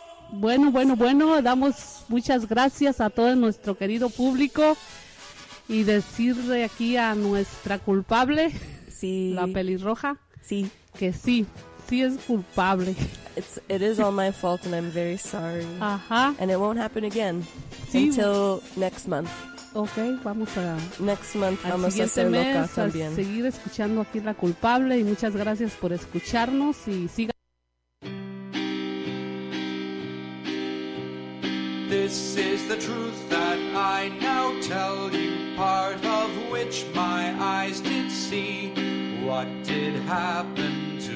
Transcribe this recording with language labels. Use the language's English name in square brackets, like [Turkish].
[Spanish] Bueno, bueno, bueno, damos muchas gracias a todo nuestro querido público y decirle aquí a nuestra culpable, sí, la pelirroja, sí, que sí, sí es culpable. [English] It is all my fault and I'm very sorry. Ajá. And it won't happen again, [Spanish] sí, [English] until next month. [Spanish] Okay, vamos a... [English] Next month [Spanish] vamos a ser locas también. A seguir escuchando aquí la culpable y muchas gracias por escucharnos y siga. [English] This is the truth that I now tell you, part of which my eyes did see. What did happen